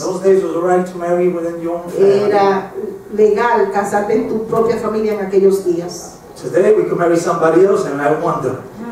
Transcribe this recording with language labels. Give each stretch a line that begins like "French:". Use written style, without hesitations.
English: Those days was right to marry within your own family.
Spanish: Era legal casarte en tu propia familia en aquellos días.
English: Today we could marry somebody else, and I wonder.